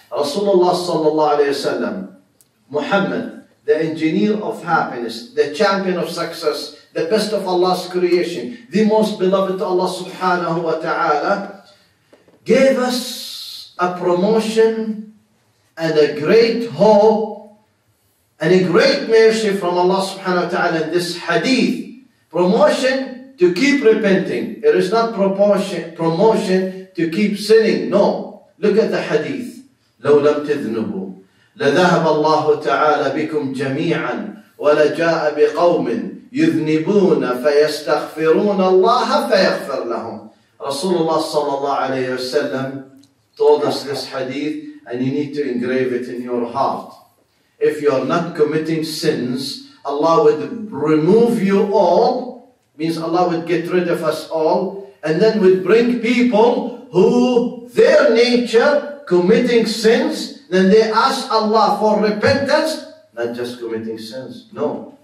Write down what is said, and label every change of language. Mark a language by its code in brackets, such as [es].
[en] Rasulullah sallallahu alayhi wa sallam, Muhammad, the engineer of happiness, the champion of success, the best of Allah's creation, the most beloved to Allah subhanahu wa ta'ala, gave us a promotion and a great hope and a great mercy from Allah subhanahu wa ta'ala in this hadith. Promotion to keep repenting. It is not promotion to keep sinning. No. Look at the hadith. [ar] لو لم تذنبوا لذهب الله تعالى بكم جميعا ولجاء بقوم يذنبون فيستغفرون الله فيغفر لهم. [en] Rasulullah sallallahu alayhi wa sallam told us this hadith, and you need to engrave it in your heart. If you are not committing sins, Allah would remove you all, means Allah would get rid of us all, and then would bring people who their nature committing sins, then they ask Allah for repentance, not just committing sins, no.